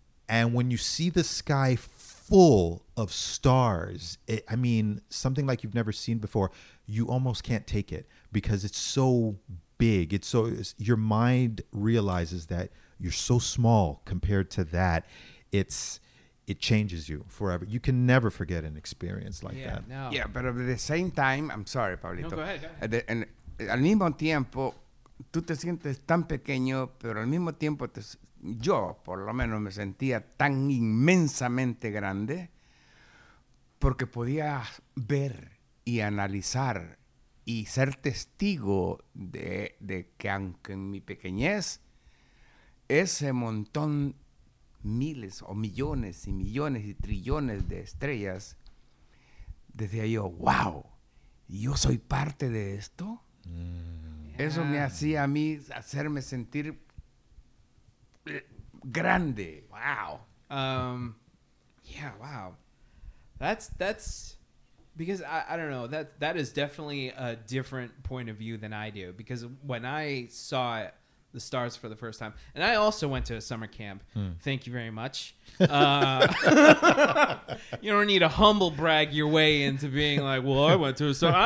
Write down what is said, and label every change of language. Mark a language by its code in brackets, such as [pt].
[en] And when you see the sky full of stars, something like you've never seen before, you almost can't take it because it's so big. Your mind realizes that you're so small compared to that. It changes you forever. You can never forget an experience like that. No. Yeah, but at the same time, I'm sorry, Pablito. No, go ahead. [es] Al mismo tiempo, tú te sientes tan pequeño, pero al mismo tiempo, yo por lo menos me sentía tan inmensamente grande porque podía ver y analizar y ser testigo de que aunque en mi pequeñez, ese montón, miles o millones y millones y trillones de estrellas, decía yo, wow, ¿yo soy parte de esto? Eso me hacía a mí hacerme sentir grande. [en] Wow. Wow. That's because I don't know, that is definitely a different point of view than I do, because when I saw it, the stars for the first time. And I also went to a summer camp. Thank you very much. you don't need to humble brag your way into being like, well, I went to a summer camp.